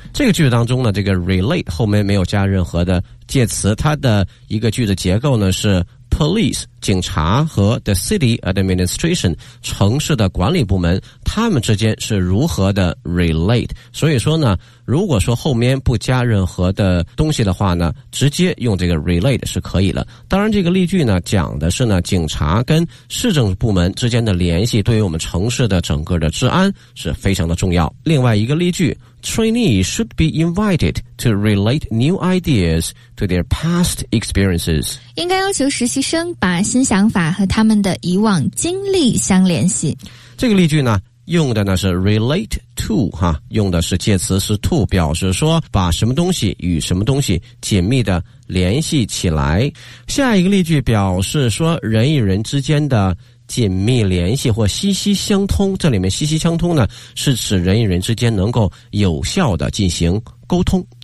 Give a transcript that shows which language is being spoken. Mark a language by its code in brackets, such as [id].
[zh] 这个句子当中呢这个 relate 后面没有加任何的介词，它的一个句子结构呢是police 警察和 [en] the city administration [zh] 城市的管理部门，他们之间是如何的 relate。所以说呢如果说后面不加任何的东西的话呢直接用这个 relate 是可以的。当然这个例句呢讲的是呢警察跟市政部门之间的联系对于我们城市的整个的治安是非常的重要。 [en] 另外一个例句， trainee should be invited to relate new ideas to their past experiences， [zh] 应该要求实习生把新想法和他们的以往经历相联系。这个例句呢用的呢是 relate to 哈，用的是介词是 to， 表示说把什么东西与什么东西紧密的联系起来。下一个例句表示说人与人之间的紧密联系或息息相通，这里面息息相通呢是指人与人之间能够有效的进行沟通。